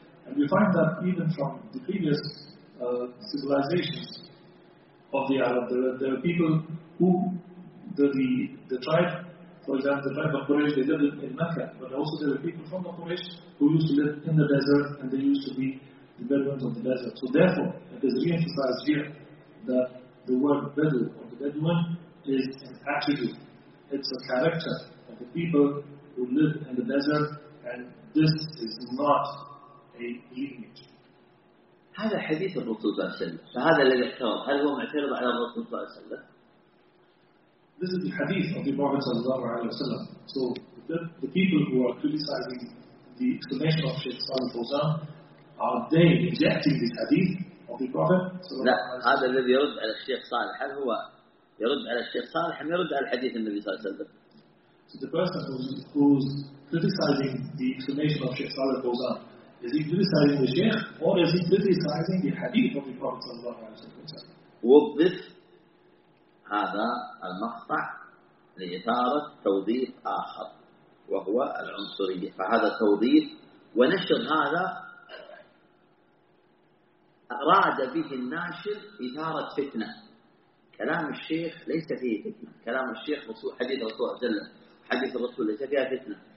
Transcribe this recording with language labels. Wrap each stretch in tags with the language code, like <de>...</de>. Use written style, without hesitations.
<en>And we find that even from the previous civilizations of the Arab, there are people who the tribe, for example, the tribe of Quraysh, they lived in Mecca, but also there were people from the Quraysh who used to live in the desert and they used to be the Bedouins of the desert. So therefore, it is re-emphasized here that the word Bedou or the Bedouin is an attribute. It's a character of the people who live in the desert, and this is not a lineage.</en> <ar>هذا حديث الرسول صلى الله عليه وسلم، فهذا الذي احترم، هل هو معترض على الرسول صلى الله عليه وسلم؟</ar> <en>This is the hadith of the Prophet sallallahu alaihi wasallam. So the people who are criticizing the explanation of Sheikh Salih Fawzan, are they rejecting the hadith of the Prophet sallallahu alaihi wasallam?</en> <ar>لا، هذا الذي يرد على الشيخ صالح، هل هو يرد على الشيخ صالح أم يرد على الحديث النبي صلى الله عليه وسلم؟</ar> <en>So the person who's criticizing the explanation of Sheikh Salih Fawzan, is he criticizing the Sheikh or is he criticizing the hadith of the Prophet sallallahu alaihi wasallam?</en> <ar>هذا المقطع لإثارة توظيف آخر وهو العنصرية، فهذا توظيف ونشر، هذا أراد به الناشر إثارة فتنة. كلام الشيخ ليس فيه فتنة، كلام الشيخ حديث الرسول صلى الله عليه وسلم، حديث الرسول ليس فيها فتنة.</ar>